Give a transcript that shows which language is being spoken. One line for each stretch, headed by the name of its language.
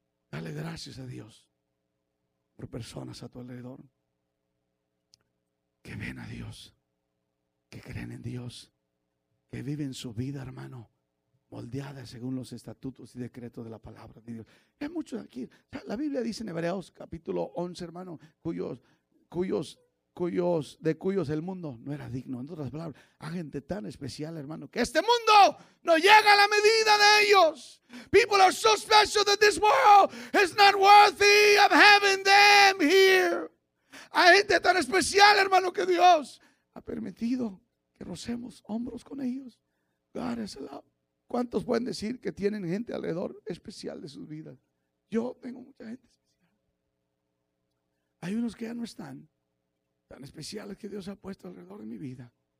Spanish: Dale gracias a Dios por personas a tu alrededor que ven a Dios, que creen en Dios, que viven su vida, hermano, moldeada según los estatutos y decretos de la palabra de Dios. Hay muchos aquí. La Biblia dice en Hebreos capítulo 11, hermano, cuyos el mundo no era digno. En otras palabras, hay gente tan especial, hermano, que este mundo no llega a la medida de ellos.
English: People are so special that this world is not worthy of having them here.
Spanish: Hay gente tan especial, hermano, que Dios ha permitido que rocemos hombros con ellos.
English: God is love.
Spanish: ¿Cuántos pueden decir que tienen gente alrededor especial de sus vidas? Yo tengo mucha gente especial. Hay unos que ya no están tan especiales que Dios ha puesto alrededor de mi vida.